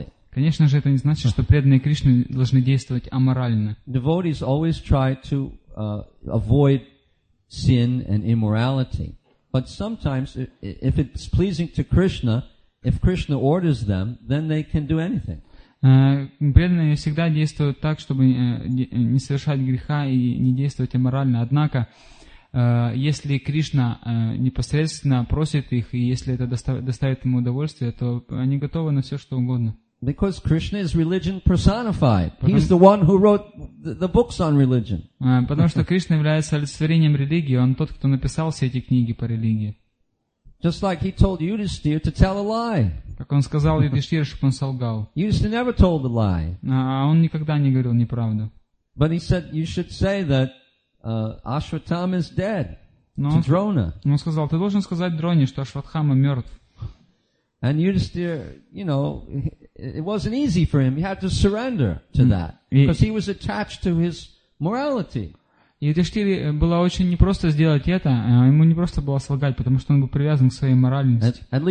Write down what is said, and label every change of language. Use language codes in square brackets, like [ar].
[ru] Конечно же, это не значит, что преданные Кришне должны действовать аморально. [en] Devotees always try to avoid sin and immorality. But sometimes, if it's pleasing to Krishna, if Krishna orders them, then they can do anything. [ru] Преданные всегда действуют так, чтобы не совершать греха и не действовать аморально. Однако, если Кришна непосредственно просит их, и если это доставит ему удовольствие, то они готовы на все, что угодно. [en] Because Krishna is religion personified. He's the one who wrote the books on religion. [ru] Потому что Кришна является олицетворением религии, он тот, кто написал все эти книги по религии. [en] Just like he told Yudhishthira to tell a lie. [ru] Как он сказал Юдиштхире, чтобы он солгал. [en] Yudhishthira never told a lie. [ru] А он никогда не говорил неправду. [en] But he said you should say that Ashwatthama is dead to Drona. [ru] Он сказал, ты должен сказать Дроне, что Ашватхама мертв. [en] And Yudhishthira, you know, it wasn't easy for him. He had to surrender to that because he was attached to his morality. [ru] И Юдиштире было очень непросто сделать это, ему не просто было солгать, потому что он был привязан к своей моральности.